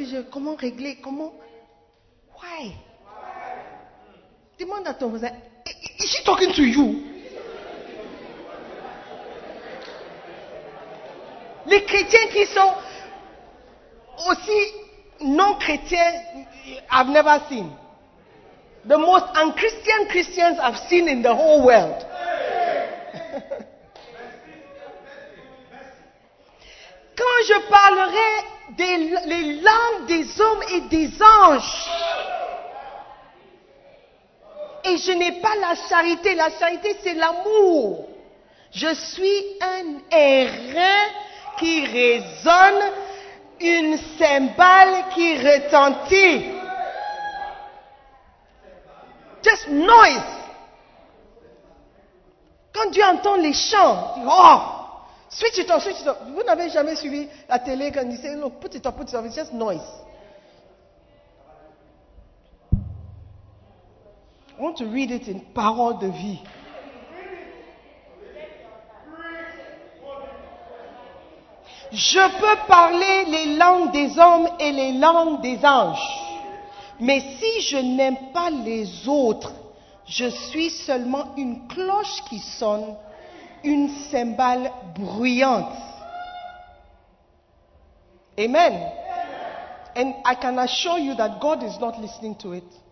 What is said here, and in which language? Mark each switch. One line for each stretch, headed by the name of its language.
French: Comment régler? Comment?
English: Why?
French: Demande à ton voisin,
English: is he talking to you?
French: Les chrétiens qui sont aussi non-chrétiens,
English: I've never seen. The most unchristian Christians I've seen in the whole world.
French: Quand je parlerai les langues des hommes et des anges, et je n'ai pas la charité c'est l'amour. Je suis un airain qui résonne, une cymbale qui retentit.
English: Just noise.
French: Quand Dieu entend les chants,
English: oh, switch it off.
French: Vous n'avez jamais suivi la télé quand ils disaient,
English: put it off, it's just noise. I want to read it in parole de vie.
French: Je peux parler les langues des hommes et les langues des anges. Mais si je n'aime pas les autres, je suis seulement une cloche qui sonne, une cymbale bruyante. Amen.
English: And I can assure you that God is not listening to it.